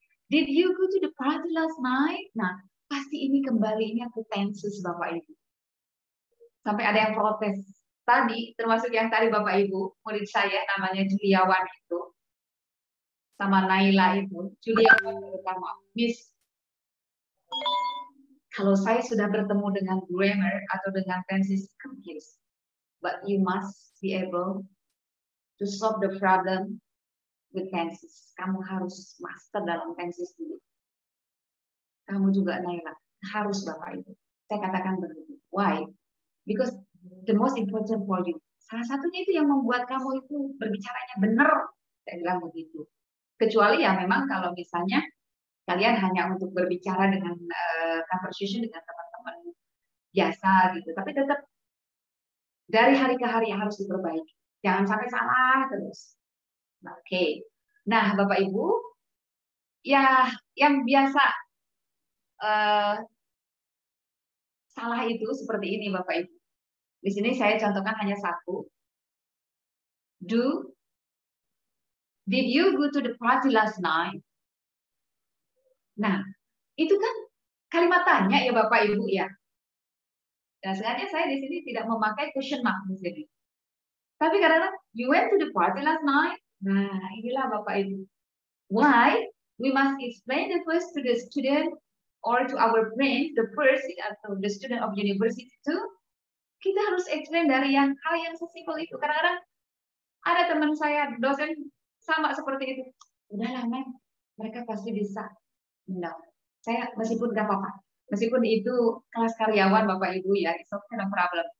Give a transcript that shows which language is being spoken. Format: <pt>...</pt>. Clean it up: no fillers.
<en>Did you go to the party last night?</en> <id>Nah, pasti ini kembali ini aku tenses Bapak Ibu. Sampai ada yang protes tadi, termasuk yang tadi Bapak Ibu, murid saya namanya Juliawan itu, sama Naila itu, Juliawan pertama, Miss. Kalau saya sudah bertemu dengan grammar atau dengan tenses, confused.</id> <en>But you must be able to solve the problem with tenses.</en> <id>Kamu harus master dalam tenses dulu. Kamu juga Naila, harus Bapak Ibu. Saya katakan begitu. Why?</id> <en>Because the most important for you.</en> <id>Salah satunya itu yang membuat kamu itu berbicaranya benar. Saya bilang begitu. Kecuali ya memang kalau misalnya kalian hanya untuk berbicara dengan conversation dengan teman-teman biasa gitu. Tapi tetap dari hari ke hari harus diperbaiki. Jangan sampai salah terus. Oke. Nah, Bapak Ibu, ya yang biasa salah itu seperti ini Bapak Ibu. Di sini saya contohkan hanya satu.</id> <en>Did you go to the party last night?</en> <id>Nah, itu kan kalimat tanya ya Bapak Ibu ya. Dan sebenarnya saya di sini tidak memakai question mark di sini. Tapi karena</id> <en>you went to the party last night.</en> <id>Nah, inilah Bapak Ibu.</id> <en>Why we must explain the first to the student or to our brain, the first atau the student of university to.</en> <id>Kita harus explain dari yang hal yang sesimpel itu. Kadang-kadang ada teman saya dosen sama seperti itu. Udahlah, men. Mereka pasti bisa. No. Saya meskipun enggak apa-apa. Meskipun itu kelas karyawan Bapak Ibu ya,</id> <en>it's okay, no problem.</en>